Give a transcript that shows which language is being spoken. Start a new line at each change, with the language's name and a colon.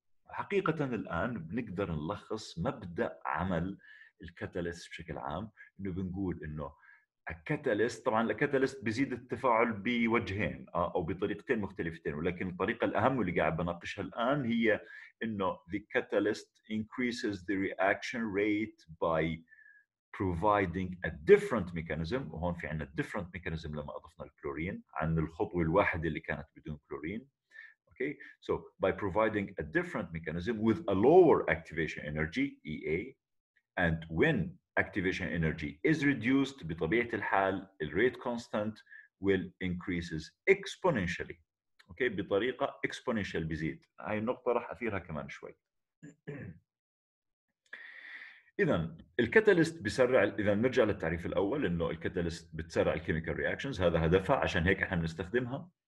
Arabic: حقيقة الآن بنقدر نلخص مبدأ عمل الكاتاليست بشكل عام، إنه بنقول إنه الكاتاليست، طبعاً الكاتاليست بيزيد التفاعل بوجهين أو بطريقتين مختلفتين، ولكن الطريقة الأهم اللي قاعد بناقشها الآن هي إنه
English: the catalyst increases the reaction rate by providing a different mechanism.
Arabic: وهون في عنا different mechanism لما أضفنا الكلورين عن الخطوة الواحدة اللي كانت بدون كلورين.
English: Okay, so by providing a different mechanism with a lower activation energy, EA, and when activation energy is reduced,
Arabic: بطبيعة الحال,
English: the rate constant will increases exponentially.
Arabic: Okay, بطريقة exponential بزيد. هاي النقطة راح أثيرها كمان شوي. إذن الكاتاليست بسرع، إذا نرجع للتعريف الأول إنه الكاتاليست بتسرع الكيميكال رياكشنز، هذا هدفها، عشان هيك إحنا بنستخدمها.